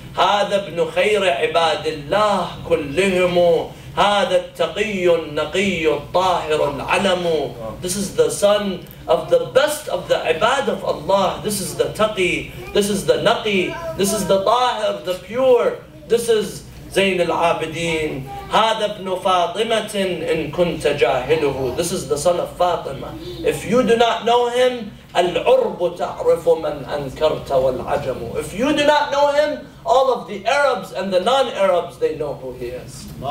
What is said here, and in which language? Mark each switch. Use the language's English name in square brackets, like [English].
[Arabic] هَذَا بْنُ خَيْرِ عِبَادِ اللَّهِ كُلِّهِمُ هَذَا التَّقِيُّ النَّقِيُّ الطَّاهِرُ الْعَلَمُ. [English] This is the son of the best of the ibad of Allah. This is the taqi, this is the naqi, this is the tahir, the pure. This is [Arabic] زين العابدين هذا ابن فاطمة إن كنت جاهله. [English] This is the son of Fatima. If you do not know him, [Arabic] العرب تعرف من أنكرت والعجم. [English] If you do not know him, all of the Arabs and the non-Arabs, they know who he is.